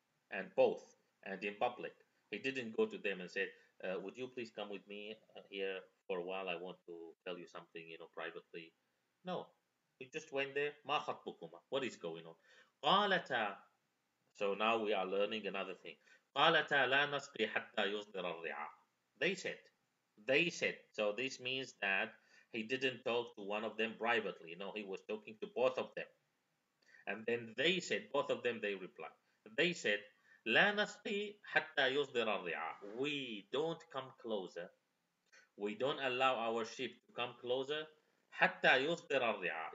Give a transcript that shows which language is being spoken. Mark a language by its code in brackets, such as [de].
[en] And both, and in public. He didn't go to them and say, would you please come with me here? For a while, I want to tell you something, you know, privately. No, we just went there. [ar] مَا خَطْبُكُمَا [en] What is going on? [ar] قَالَتَا [en] So now we are learning another thing. [ar] قَالَتَا لَا نَسْقِي حَتَّى يُصْدِرَ الرِّعَى [en] They said. So this means that he didn't talk to one of them privately. No, he was talking to both of them. And then they said, both of them, they replied. They said, [ar] لَا نَسْقِي حَتَّى يُصْدِرَ الرِّعَى [en] We don't come closer. We don't allow our sheep to come closer. [ar] Hatta yusdir al-ri'a.